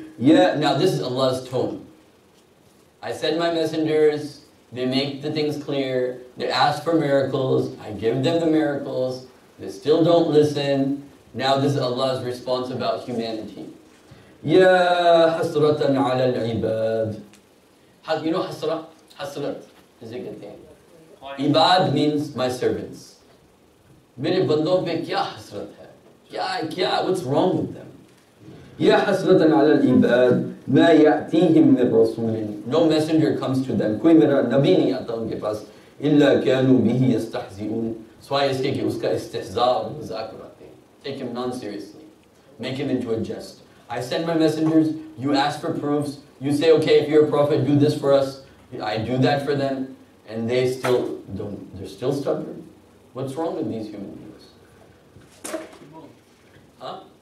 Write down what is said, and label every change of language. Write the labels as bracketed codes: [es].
[en] Yeah, now this is Allah's tone. I send my messengers, they make the things clear, they ask for miracles, I give them the miracles, they still don't listen. Now this is Allah's response about humanity. [ar] Ya hasratan ala al-ibad. [en] You know hasra? Hasrat is a good thing. Ibad means my servants. [ur] میرے بندوں پہ کیا حسرت ہے? Kya, [en] what's wrong with them? [ar] Ya hasratan ala al-ibad. Ma ya'tihim min rasulin. [en] No messenger comes to them. [ur] Koi mera nabi nahi aata unke paas. [ar] Illa kanu bihi yastahzi'un. [en] So I say [ur] کہ اسکا استہزا مذاق اڑاتے ہیں. [en] Take him non-seriously. Make him into a jest. I send my messengers, you ask for proofs, you say, okay, if you're a prophet, do this for us. I do that for them. And they still don't, they're still stubborn. What's wrong with these human beings? Huh?